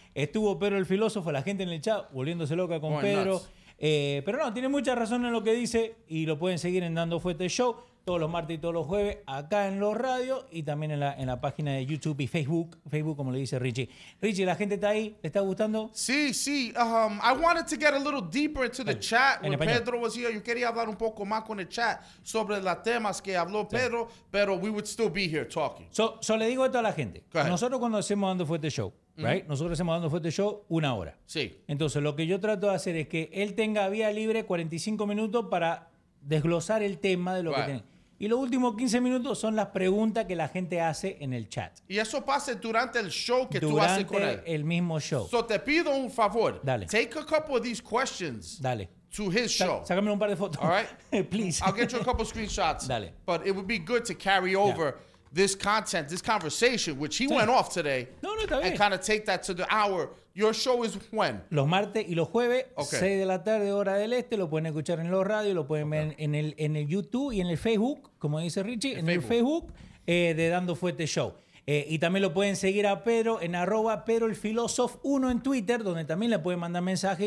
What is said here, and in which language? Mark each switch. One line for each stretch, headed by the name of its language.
Spanish: Estuvo Pedro el filósofo, la gente en el chat volviéndose loca con Pedro. Pero no, tiene mucha razón en lo que dice y lo pueden seguir en Dando Fuerte Show todos los martes y todos los jueves acá en los radios y también en la página de YouTube y Facebook, como le dice Richie, ¿la gente está ahí? ¿Le está gustando? Sí.
English: I wanted to get a little deeper into the chat when Pedro was here.
Spanish: Yo quería hablar un poco más con el chat sobre los temas que habló Pedro, pero
English: we would still be here talking.
Spanish: So le digo esto a la gente. Nosotros cuando hacemos Dando Fuerte Show, right? Nosotros hacemos Dando Fuerte Show una hora. Sí. Entonces lo que yo trato de hacer es que él tenga vía libre 45 minutos para desglosar el tema de lo que tiene. Y los últimos 15 minutos son las preguntas que la gente hace en el chat. Y eso pasa durante el show que tú haces con él. Durante el mismo show. So te pido un favor. Dale.
English: Take a couple of these questions.
Spanish: Dale.
English: To his show.
Spanish: Sácame un par de fotos.
English: All right. Please. I'll get you a couple of screenshots.
Spanish: Dale.
English: But it would be good to carry over this content, this conversation, which he went off today.
Spanish: No, está bien.
English: And kind of take that to the hour. Your show is when?
Spanish: Los martes y los jueves, 6 de la tarde, hora del este. Lo pueden escuchar en los radios, lo pueden ver en el YouTube y en el Facebook, como dice Richie, en el Facebook de Dando Fuerte Show. Y también lo pueden seguir a Pedro en arroba PedroElFilósof1 en Twitter, donde también le pueden mandar mensaje.